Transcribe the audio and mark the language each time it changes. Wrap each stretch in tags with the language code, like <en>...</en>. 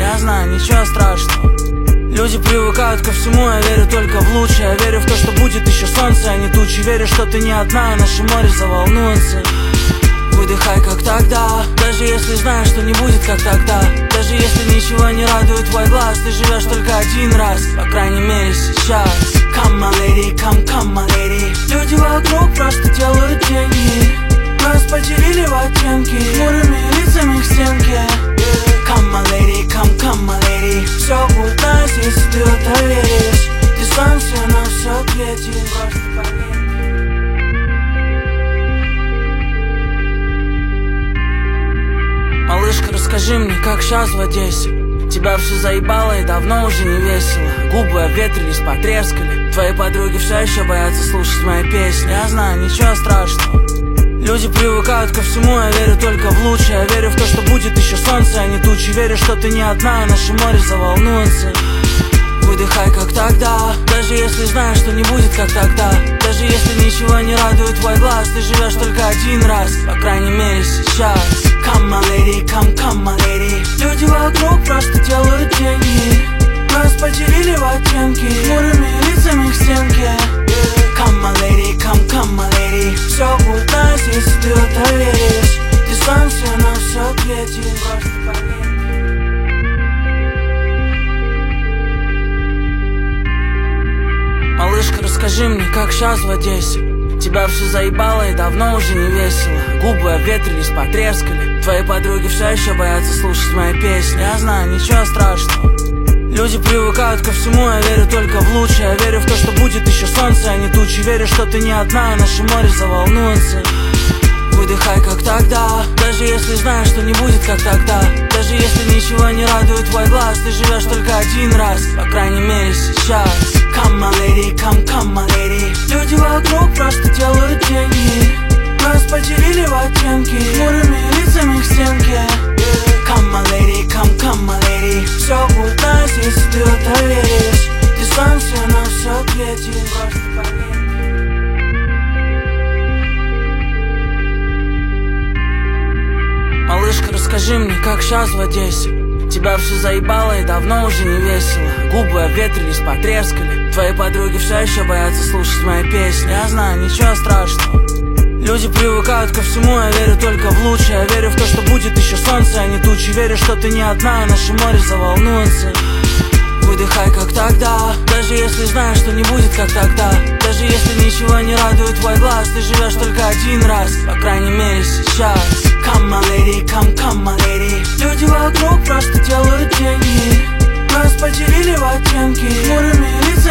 <ru>Я знаю, ничего страшного. Люди привыкают ко всему, я верю только в лучшее. Я верю в то, что будет еще солнце, а не тучи. Верю, что ты не одна, и наше море заволнуется. Выдыхай, как тогда. Даже если знаешь, что не будет, как тогда. Даже если ничего не радует твой глаз. Ты живешь только один раз, по крайней мере сейчас.</ru> <en>Come, my lady, come, come, my lady.</en> <ru>Люди вокруг просто делают деньги. Нас поделили в оттенки. Хмурыми лицами к стенке.</ru> <en>Come, my lady, come, come, my lady.</en> <ru>Все будет nice, если ты в это веришь. Дистанция на все ответит. Просто поверь. Малышка, расскажи мне, как сейчас в Одессе? Тебя все заебало и давно уже не весело. Губы обветрились, потрескали. Твои подруги все еще боятся слушать мои песни. Я знаю, ничего страшного. Люди привыкают ко всему, я верю только в лучшее. Я верю в то, что будет еще солнце, а не тучи. Верю, что ты не одна, и наше море заволнуется. Выдыхай, как тогда. Даже если знаешь, что не будет, как тогда. Даже если ничего не радует твой глаз. Ты живешь только один раз, по крайней мере сейчас.</ru> <en>Come, my lady, come, come, my lady.</en> <ru>Люди вокруг просто делают деньги. Нас поделили в оттенки. Хмурыми лицами к стенке.</ru> <en>Come, my lady, come, come, my lady.</en> <ru>Все будет nice, если ты в это веришь. Дистанция на все ответит. Просто поверь. Малышка, расскажи мне, как сейчас в Одессе? Тебя все заебало и давно уже не весело. Губы обветрились, потрескали. Твои подруги все еще боятся слушать мои песни. Я знаю, ничего страшного. Люди привыкают ко всему, я верю только в лучшее. Я верю в то, что будет еще солнце, а не тучи. Верю, что ты не одна, и наше море заволнуется. Выдыхай, как тогда. Даже если знаешь, что не будет, как тогда. Даже если ничего не радует твой глаз. Ты живешь только один раз, по крайней мере сейчас.</ru> <en>Come, my lady, come, come, my lady.</en> <ru>Люди вокруг просто делают деньги. Нас поделили в оттенки. Хмурыми лицами к стенке.</ru> <en>Come, my lady, come, come, my lady.</en> <ru>Все будет nice, если ты в это веришь. Дистанция на все ответит. Просто поверь. Малышка, расскажи мне, как сейчас в Одессе? Тебя все заебало и давно уже не весело. Губы обветрились, потрескали. Твои подруги все еще боятся слушать мои песни. Я знаю, ничего страшного. Люди привыкают ко всему, я верю только в лучшее. Я верю в то, что будет еще солнце, а не тучи. Верю, что ты не одна, и наше море заволнуется. Выдыхай, как тогда. Даже если знаешь, что не будет, как тогда. Даже если ничего не радует твой глаз. Ты живешь только один раз, по крайней мере сейчас.</ru> <en>Come, my lady, come, come, my lady.</en> <ru>Люди вокруг просто делают деньги. Нас поделили в оттенки. Хмурыми</ru>